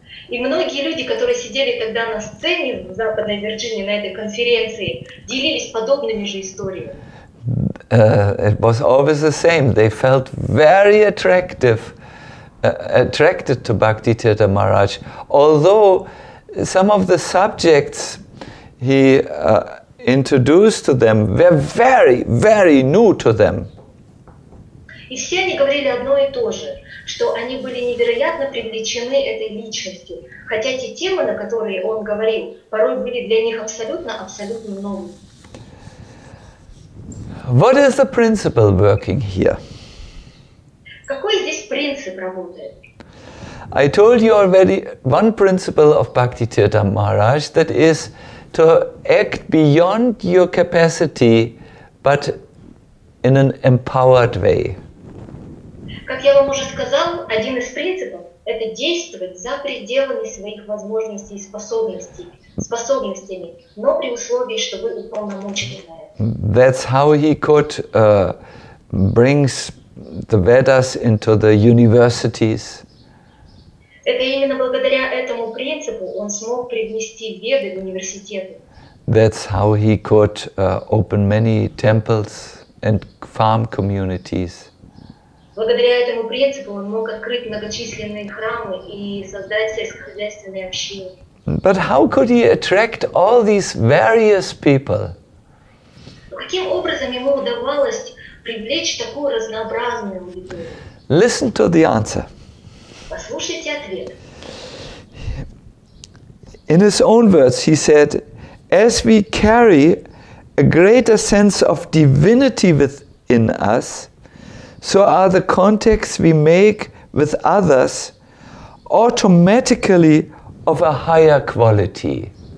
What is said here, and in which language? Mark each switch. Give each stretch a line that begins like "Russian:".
Russian: И многие люди, которые сидели тогда на сцене в Западной Вирджинии на этой конференции, делились подобными же историями.
English: It was always the same. They felt very attracted to Bhakti Tirtha Maharaj. Although some of the subjects he introduced to them were very, very new to them.
Russian: И все они говорили одно и то же, что они были невероятно привлечены этой личностью, хотя те темы, на которые он говорил, порой были для них абсолютно новыми.
English: What is the principle working here?
Russian: Какой здесь принцип работает?
English: I told you already one principle of Bhakti Tirtha Maharaj, that is to act beyond your capacity, but in an empowered way.
Russian: Как я вам уже сказал, один из принципов – это действовать за пределами своих возможностей и способностями, но при условии, что вы уполномочены на это.
English: That's how he could bring the Vedas into the universities.
Russian: Это именно благодаря этому принципу он смог привнести Веды в университеты.
English: That's how he could open many temples and farm communities.
Russian: Благодаря этому принципу он мог открыть многочисленные храмы и создать сельскохозяйственные общины.
English: But how could he attract all these various people?
Russian: Каким образом ему удавалось привлечь такую разнообразную аудиторию?
English: Listen to the answer.
Russian: Послушайте ответ.
English: In his own words, he said, as we carry a greater sense of divinity within us, so are the contacts we make with others automatically of a higher quality.